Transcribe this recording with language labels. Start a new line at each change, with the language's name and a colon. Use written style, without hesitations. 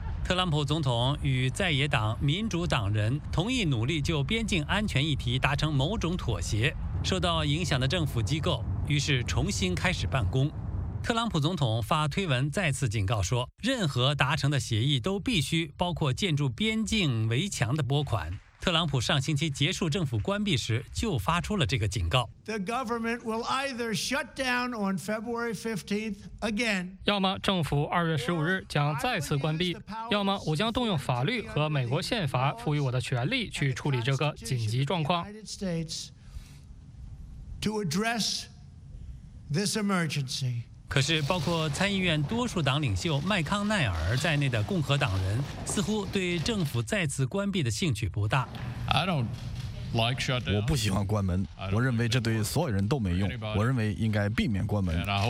Chinese: 特朗普总统与在野党民主党人同意努力就边境安全议题达成某种妥协，受到影响的政府机构于是重新开始办公。特朗普总统发推文再次警告说，任何达成的协议都必须包括建筑边境围墙的拨款。特朗普上星期结束政府关闭时就发出了这个警告。
English: The government will either shut down on February 15th again.
Chinese: 要么政府二月十五日将再次关闭，要么我将动用法律和美国宪法赋予我的权利去处理这个紧急状况。
English: To address this emergency.
Chinese: 可是包括参议院多数党领袖麦康奈尔在内的共和党人似乎对政府再次关闭的兴趣不大。我不喜欢关门，我认为这对所有人都没用，我认为应该避免关门。